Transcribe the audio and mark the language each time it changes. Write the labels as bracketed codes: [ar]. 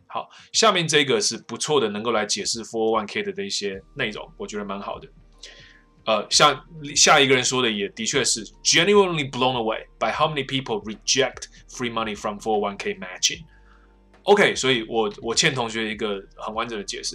[zh] 好，下面这个是不错的，能够来解释 401k 的一些内容，我觉得蛮好的。像下一个人说的也的确是 [en] genuinely blown away by how many people reject free money from 401k matching. [zh] OK, 所以我欠同学一个很完整的解释。